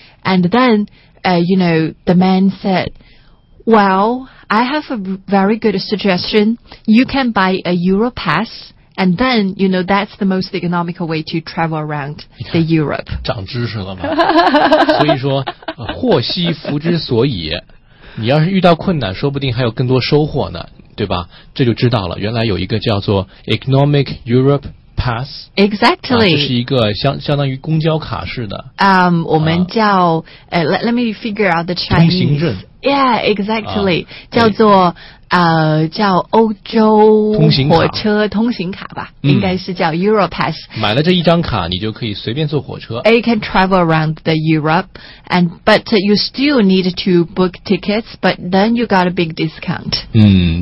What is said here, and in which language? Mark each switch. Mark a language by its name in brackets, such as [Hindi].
[English] And then, the man said, "Well, I have a very good suggestion. You can buy a Euro pass. And then, that's the most economical way to travel around the Europe." [Chinese] 长知识了吗？所以说，祸兮福之所以。你要是遇到困难，说不定还有更多收获呢，对吧？这就知道了，原来有一个叫做 Economic Europe Pass。 [English] Exactly. [Chinese] 这是一个相当于公交卡似的。我们叫 [English] let me figure out the Chinese. [Chinese] 通行证。 [English] Yeah, exactly. [Chinese] 叫做叫欧洲火车通行卡吧，应该是叫 Europass。买了这一张卡，你就可以随便坐火车。 [English] You can travel around the Europe, but you still need to book tickets, but then you got a big discount.